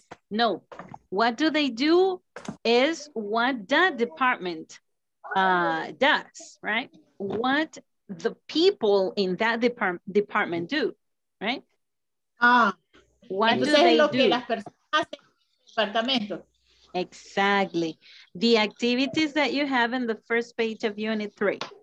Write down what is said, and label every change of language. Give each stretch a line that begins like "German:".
English: No, what do they do is what that department does, right? What the people in that department do, right?
Spanish: Entonces, lo que las personas hacen en el departamento.
English: Exactly. The activities that you have in the first page of unit 3.